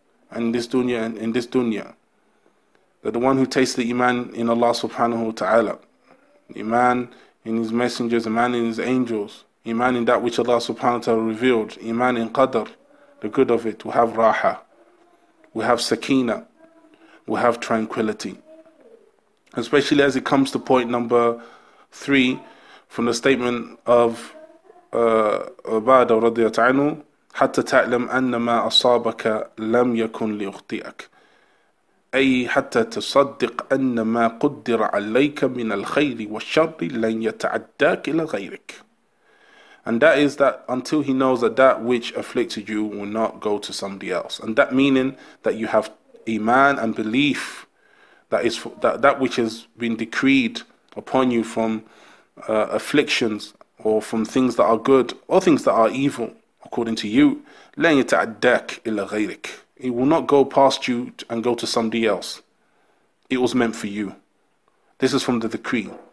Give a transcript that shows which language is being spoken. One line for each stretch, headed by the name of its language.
English: And in this dunya, that the one who tastes the iman in Allah subhanahu wa ta'ala, iman in His messengers, iman in His angels, iman in that which Allah subhanahu wa ta'ala revealed, iman in qadr, the good of it, we have raha, we have sakina, we have tranquility. Especially as it comes to point number three, from the statement of Ubadah radiyallahu ta'ala,
Arabic: حتى تعلم أن ما أصابك لم يكن ليخطئك أي حتى تصدق أن ما قدر عليك من الخير والشر لن يتعداك إلى غيرك.
English: And that is that until he knows that that which afflicted you will not go to somebody else. And that meaning that you have iman and belief that is that which has been decreed upon you from afflictions or from things that are good or things that are evil, according to you,
Arabic: لَنْ يَتَعَدَّكْ إِلَّا غَيْرِكْ,
English: it will not go past you and go to somebody else. It was meant for you. This is from the decree.